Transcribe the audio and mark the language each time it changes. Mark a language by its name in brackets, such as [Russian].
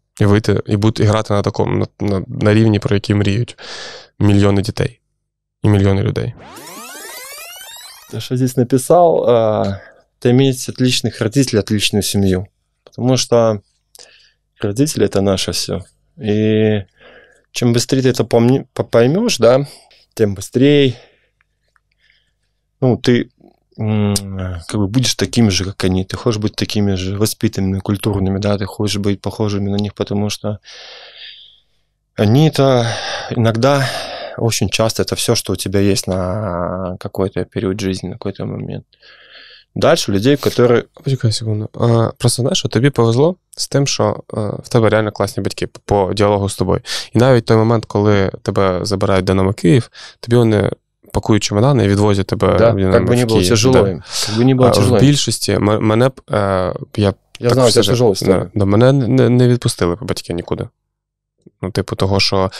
[Ukrainian] І вийти, і бути, і грати на такому, на рівні, про який мріють мільйони дітей і мільйони людей. Що здесь написав, ти маєш отличних батьків, отличну сім'ю. Тому що батьки – це наше все. І чим швидше ти це поймеш, да, тим швидше, ну, ти [Russian] как бы будешь таким же, как они, ты хочешь быть такими же воспитанными, культурными, да, ты хочешь быть похожими на них, потому что они это иногда, очень часто это все, что у тебя есть на какой-то период жизни, на какой-то момент. Дальше людей, которые... [Ukrainian] Почекай секунду. [Russian] Просто знаешь, что тебе повезло с тем, что в тебе реально классные батьки по диалогу с тобой. [Ukrainian] И навіть той момент, коли тебе забирають Динамо Київ, тобі вони пакують чемодани і відвозять тебе, да, в Динамо, в Київ. Було тяжело, да. [Russian] Как бы не было тяжело. [Ukrainian] В більшості мене б... Я знаю, це тяжело. Да, мене не відпустили батьки нікуди. Ну, типу того, що...